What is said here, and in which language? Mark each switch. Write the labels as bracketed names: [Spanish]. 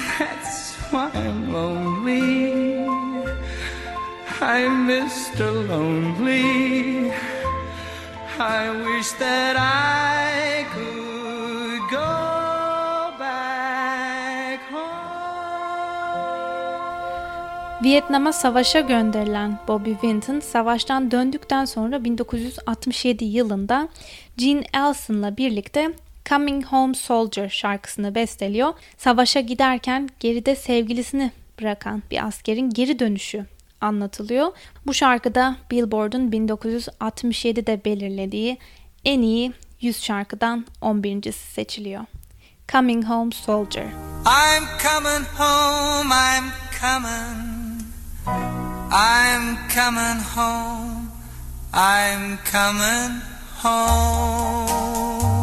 [English] That's why I'm lonely. I'm Mr. Lonely. I wish that I could go back home. [Turkish] Vietnam'a savaşa gönderilen Bobby Vinton, savaştan döndükten sonra 1967 yılında Gene Ellison'la birlikte Coming Home Soldier şarkısını besteliyor. Savaşa giderken geride sevgilisini bırakan bir askerin geri dönüşü anlatılıyor. Bu şarkıda Billboard'un 1967'de belirlediği en iyi 100 şarkıdan 11.si seçiliyor. [English] Coming Home Soldier. I'm coming home, I'm coming. I'm coming home, I'm coming home.